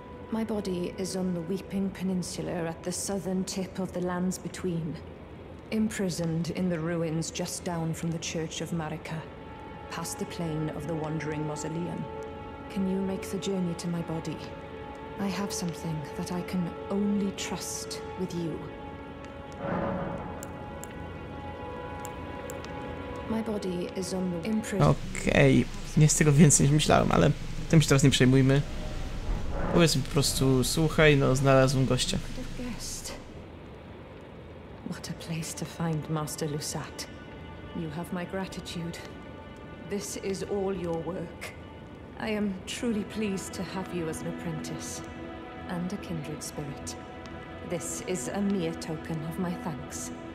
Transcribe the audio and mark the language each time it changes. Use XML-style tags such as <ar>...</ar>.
<en>My body is on the Weeping Peninsula at the southern tip of the Lands Between, imprisoned in the ruins just down from the Church of Marika, past the plain of the Wandering Mausoleum. Can you make the journey to my body? I have something that I can only trust with you. My body is on the imprisoned. Okay.</en> <pl>Nie z tego więcej niż myślałem, ale tym się teraz nie przejmujmy. Powiedz mi po prostu, słuchaj, no znalazłem gościa.</pl> <en>What a place to find Master Lusat. You have my gratitude. This is all your work. I am truly pleased to have you as an apprentice and a kindred spirit. This is a mere token of my thanks.</en>